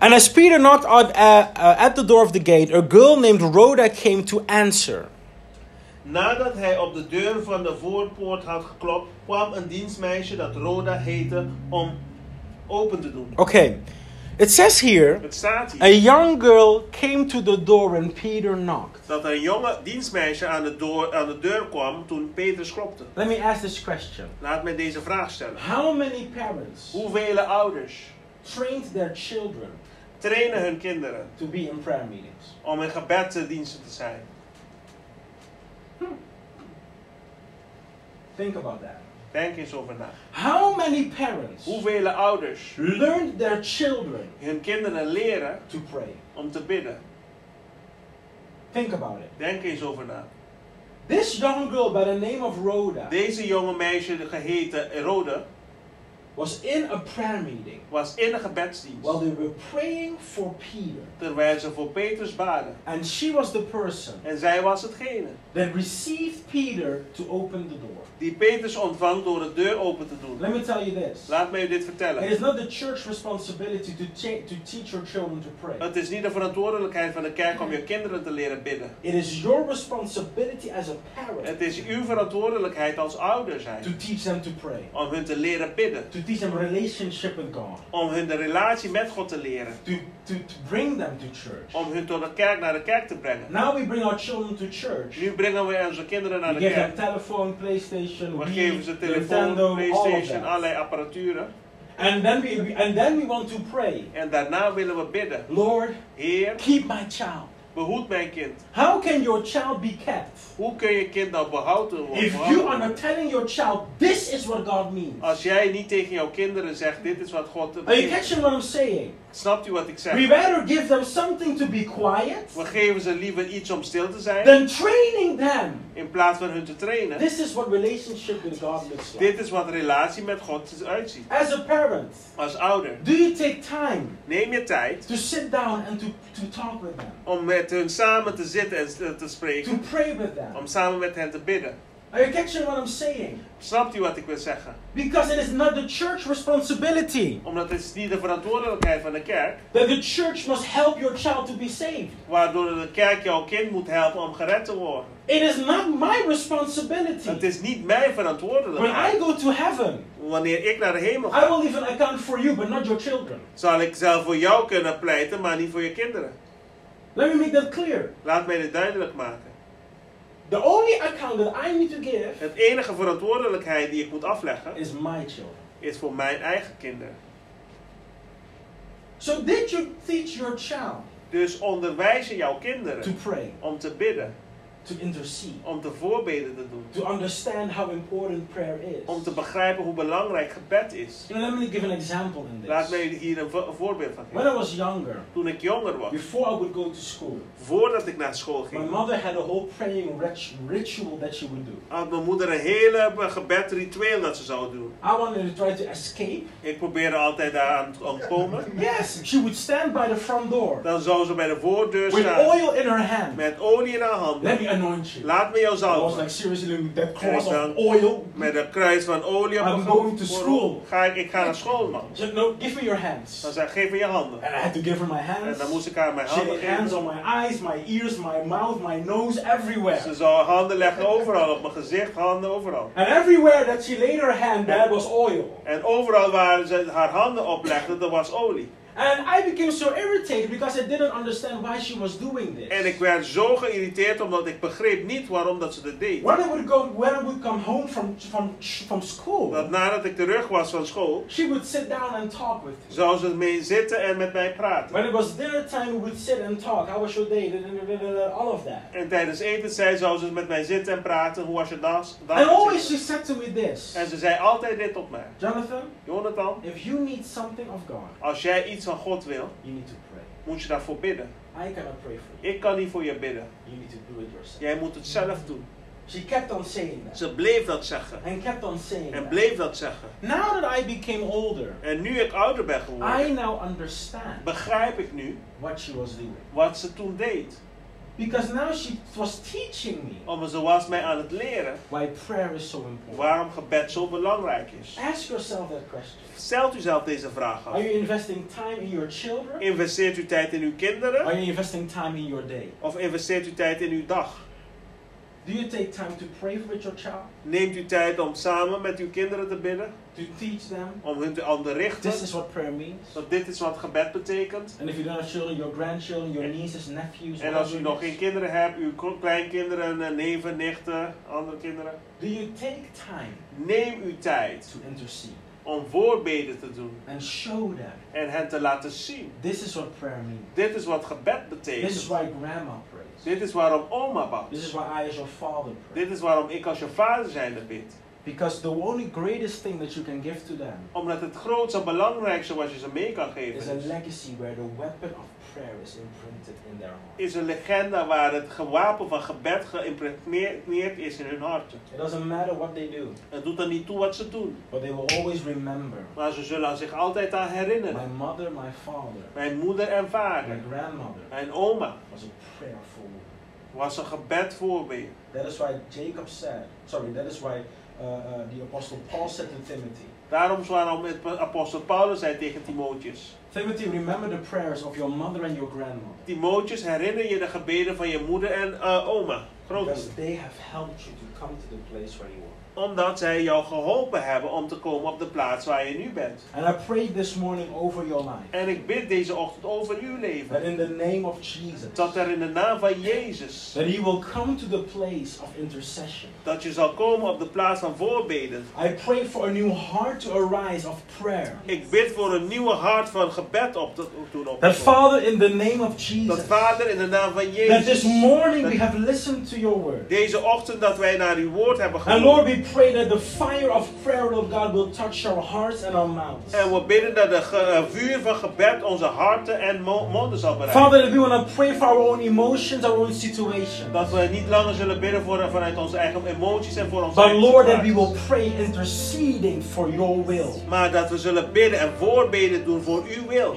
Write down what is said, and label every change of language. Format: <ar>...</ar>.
<en>And as Peter knocked at the door of the gate, a girl named Rhoda came to answer.</en> <nl>Nadat hij op de deur van de voorpoort had geklopt, kwam een dienstmeisje dat Rhoda heette om open te doen.</nl> <en>Okay. It says here,</en> <nl>het staat hier,</nl> <en>a young girl came to the door and Peter knocked.</en> <nl>Dat een jonge dienstmeisje aan de deur kwam toen Petrus klopte.</nl> <en>Let me ask this question.</en> <nl>Laat me deze vraag stellen.</nl> <en>How many parents?</en> <nl>Hoeveel ouders?</nl> <en>Trained their children.</en> <nl>Trainen hun kinderen.</nl> <en>To be in prayer meetings.</en> <nl>Om in gebedsdiensten te zijn.</nl> <en>Think about that.</en> <nl>Denk eens over na.</nl> <en>How many parents?</en> <nl>Hoeveel ouders?</nl> <en>Learned their children.</en> <nl>Hun kinderen leren.</nl> <en>To pray.</en> <nl>Om te bidden.</nl> <en>Think about it.</en> <nl>Denk eens over na.</nl> <en>This young girl by the name of Rhoda.</en> <nl>Deze jonge meisje geheten Rhoda.</nl> <en>Was in a prayer meeting.</en> <nl>Was in een gebedsdienst.</nl> <en>While they were praying for Peter.</en> <nl>Terwijl ze voor Petrus baden.</nl> <en>And she was the person.</en> <nl>En zij was hetgene.</nl> <en>That received Peter to open the door.</en> <nl>Die Petrus ontvangt door de deur open te doen.</nl> <en>Let me tell you this.</en> <nl>Laat mij dit vertellen.</nl> <en>It is not the church responsibility to teach your children to pray.</en> <nl>Het is niet de verantwoordelijkheid van de kerk om je kinderen te leren bidden.</nl> <en>It is your responsibility as a parent.</en> <nl>Het is uw verantwoordelijkheid als ouder zijn.</nl> <en>To teach them to pray.</en> <nl>Om hun te leren bidden.</nl> <en>To teach them relationship with God.</en> <nl>Om hun de relatie met God te leren.</nl> <en>To bring them to church.</en> <nl>Om hun tot de kerk naar de kerk te brengen.</nl> <en>Now we bring our children to church.</en> <nl>Nu brengen we onze kinderen naar we de kerk. We geven ze telefoon, PlayStation, we Wii, geven ze telefoon, Nintendo, PlayStation,</nl> <en>all</en> <nl>allerlei apparatuur.</nl> <en>And then we want to pray.</en> <nl>En daarna willen we bidden.</nl> <en>Lord,</en> <nl>Heer,</nl> <en>keep my child.</en> <nl>Behoed mijn kind.</nl> <en>How can your child be kept?</en> <nl>Hoe kun je kind dan behouden worden?</nl> <en>If you are not telling your child, this is what God means.</en> <nl>Als jij niet tegen jouw kinderen zegt, dit is wat God bedoelt.</nl> <en>Are you catching what I'm saying?</en> <nl>Snapt u wat ik zeg?</nl> <en>We better give them something to be quiet.</en> <nl>We geven ze liever iets om stil te zijn.</nl> <en>Than training them.</en> <nl>In plaats van hun te trainen.</nl> <en>This is what relationship with God looks like.</en> <nl>Dit is wat relatie met God uitziet.</nl> <en>As a parent.</en> <nl>Als ouder.</nl> <en>Do you take time?</en> <nl>Neem je tijd.</nl> <en>To sit down and to talk with them.</en> <nl>Om met hun samen te zitten en te spreken.</nl> <en>To pray with them.</en> <nl>Om samen met hen te bidden.</nl> <en>Are you catching what I'm saying?</en> <nl>Snapt u wat ik wil zeggen?</nl> <en>Because it is not the church responsibility.</en> <nl>Omdat het is niet de verantwoordelijkheid van de kerk.</nl> <en>That the church must help your child to be saved.</en> <nl>Waardoor de kerk jouw kind moet helpen om gered te worden.</nl> <en>It is not my responsibility.</en> <nl>Het is niet mijn verantwoordelijkheid.</nl> <en>When I go to heaven.</en> <nl>Wanneer ik naar de hemel ga.</nl> <en>I will even account for you, but not your children.</en> <nl>Zal ik zelf voor jou kunnen pleiten, maar niet voor je kinderen.</nl> <en>Let me make that clear.</en> <nl>Laat mij dit duidelijk maken.</nl> <en>The only account that I need to give.</en> <nl>Het enige verantwoordelijkheid die ik moet afleggen.</nl> <en>Is my children.</en> <nl>Is voor mijn eigen kinderen.</nl> <en>So did you teach your child.</en> <nl>Dus onderwijs je jouw kinderen.</nl> <en>To pray.</en> <nl>Om te bidden.</nl> <en>To intercede.</en> <nl>Om te voorbeden te doen.</nl> <en>To understand how important prayer is.</en> <nl>Om te begrijpen hoe belangrijk gebed is.</nl> <en>And let me give an example in this.</en> <nl>Laat mij hier een voorbeeld van geven.</nl> <en>When I was younger.</en> <nl>Toen ik jonger was.</nl> <en>Before I would go to school.</en> <nl>Voordat ik naar school ging.</nl> <en>My mother had a whole praying ritual that she would do.</en> <nl>Had mijn moeder een hele gebedritueel dat ze zou doen.</nl> <en>I wanted to try to escape.</en> <nl>Ik probeerde altijd daar aan te ontkomen.</nl> <en>Yes, she would stand by the front door.</en> <nl>Dan zou ze bij de voordeur</nl> <en>with</en> <nl>staan.</nl> <en>With oil in her hand.</en> <nl>Met olie in haar hand. Laat me jou zalven.</nl> <en>I was like seriously that cross of oil.</en> <nl>Met een kruis van olie.</nl> <en>I'm going to school.</en> <nl>Ik ga naar school, man.</nl> <en>She said, no, give me your hands.</en> <nl>Dan zei, geef me je handen.</nl> <en>And I had to give her my hands.</en> <nl>En dan moest ik haar mijn handen geven.</nl> <en>She had hands on my eyes, my ears, my mouth, my nose, everywhere.</en> <nl>Ze zou handen leggen overal op mijn gezicht, handen overal.</nl> <en>And everywhere that she laid her hand, there was oil.</en> <nl>En overal waar ze haar handen oplegde, er was olie.</nl> <en>And I became so irritated because I didn't understand why she was doing this.</en> <nl>En ik werd zo geïrriteerd omdat ik begreep niet waarom dat ze dat deed.</nl> <en>When I would go, when I would come home from school.</en> <nl>Dat nadat ik terug was van school.</nl> <en>She would sit down and talk with me.</en> <nl>Zou ze mee zitten en met mij praten.</nl> <en>When it was dinner time, we would sit and talk. How was your day? All of that.</en> <nl>En tijdens eten zei zou ze met mij zitten en praten. Hoe was je dag?</nl> <en>And always she said to me this.</en> <nl>En ze zei altijd dit op mij. Jonathan.</nl> <en>If you need something of God.</en> <nl>Als jij iets van God wil,</nl> <en>you need to pray.</en> <nl>Moet je daarvoor bidden.</nl> <en>I cannot pray for you.</en> <nl>Ik kan niet voor je bidden.</nl> <en>You need to do it yourself.</en> <nl>Jij moet het zelf doen.</nl> <en>She kept on saying that.</en> <nl>Ze bleef dat zeggen.</nl> <en>And kept on saying</en> <nl>en bleef</nl> <en>that.</en> <nl>Dat zeggen.</nl> <en>Now that I became older,</en> <nl>en nu ik ouder ben geworden,</nl> <en>I now understand</en> <nl>begrijp ik nu</nl> <en>what she was doing.</en> <nl>Wat ze toen deed.</nl> <en>Because now she was teaching me.</en> <nl>Om ze was mij aan het leren.</nl> <en>Why prayer is so important.</en> <nl>Waarom gebed zo belangrijk is.</nl> <en>Ask yourself that question.</en> <nl>Stelt u zelf deze vraag af.</nl> <en>Are you investing time in your children?</en> <nl>Investeert u tijd in uw kinderen?</nl> <en>Are you investing time in your day?</en> <nl>Of investeert u tijd in uw dag?</nl> <en>Do you take time to pray for your child?</en> <nl>Neemt u tijd om samen met uw kinderen te bidden?</nl> <en>To teach them?</en> <nl>Om hun te onderrichten?</nl> <en>This is what prayer means.</en> <nl>Dat dit is wat gebed betekent.</nl> <en>And if you don't have children, your grandchildren, your nieces, nephews.</en> <nl>En als u nog geen kinderen hebt, uw kleinkinderen, neven, nichten, andere kinderen.</nl> <en>Do you take time?</en> <nl>Neem u tijd.</nl> <en>To intercede.</en> <nl>Om voorbeden te doen.</nl> <en>And show them.</en> <nl>En hen te laten zien.</nl> <en>This is what prayer means.</en> <nl>Dit is wat gebed betekent.</nl> <en>This is why grandma prays.</en> <nl>Dit is waarom oma bad.</nl> <en>This is why I as your father pray.</en> <nl>Dit is waarom ik als je vader zijnde bid.</nl> <en>Because the only greatest thing that you can give to them.</en> <nl>Omdat het grootste belangrijkste wat je ze mee kan geven.</nl> <en>Is a legacy where the weapon of prayer is imprinted in their heart.</en> <nl>Is een legende waar het gewapen van gebed geïmprinteerd is in hun hart.</nl> <en>It doesn't matter what they do.</en> <nl>Het doet er niet toe wat ze doen.</nl> <en>But they will always remember.</en> <nl>Maar ze zullen zich altijd aan herinneren.</nl> <en>My mother, my father.</en> <nl>Mijn moeder en vader.</nl> <en>My grandmother.</en> <nl>Mijn oma.</nl> <en>Was a prayerful woman.</en> <nl>Was een gebed voor me.</nl> <en>That is why Jacob said. Sorry, that is why. The apostle Paul said to Timothy.</en> <nl>Daarom waarom het apostel Paulus zei tegen Timotheus.</nl> <en>Timothy, remember the prayers of your mother and your grandmother.</en> <nl>Timotheus, herinner je de gebeden van je moeder en oma, grootmoeder.</nl> <en>Because they have helped you to come to the place where you are.</en> <nl>Omdat zij jou geholpen hebben om te komen op de plaats waar je nu bent.</nl> <en>And I pray this morning over your life.</en> <nl>En ik bid deze ochtend over uw leven.</nl> <en>That in the name of Jesus.</en> <nl>Dat er in de naam van Jezus.</nl> <en>That he will come to the place of intercession.</en> <nl>Dat je zal komen op de plaats van voorbeden.</nl> <en>I pray for a new heart to arise of prayer.</en> <nl>Ik bid voor een nieuwe hart van gebed op te doen.</nl> <en>That Father in the name of Jesus.</en> <nl>Dat Vader in de naam van Jezus.</nl> <en>That this morning we have listened to your word.</en> <nl>Deze ochtend dat wij naar uw woord hebben geluisterd.</nl> <en>And Lord, we pray that the fire of prayer of God will touch our hearts and our mouths.</en> <nl>En we bidden dat de vuur van gebed onze harten en monden zal bereiken.</nl> <en>Father, that we want to pray for our own emotions, our own situations.</en> <nl>Dat we niet langer zullen bidden vanuit onze eigen emoties en voor onze eigen situaties.</nl> <en>But Lord, that we will pray interceding for your will.</en> <nl>Maar dat we zullen bidden en voorbeden doen voor uw wil.</nl>